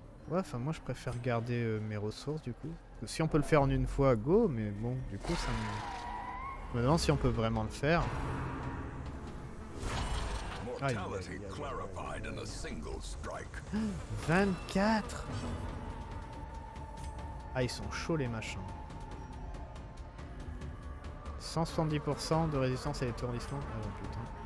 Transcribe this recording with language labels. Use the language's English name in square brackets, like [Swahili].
[French] Ouais, enfin, moi je préfère garder mes ressources du coup. Si on peut le faire en une fois, go, mais bon, du coup, ça me. Je me demande si on peut vraiment le faire. [English] Mortality clarified in a single strike. [French] 24. Ah, ils sont chauds les machins. 170% de résistance à l'étourdissement. Ah bon, putain.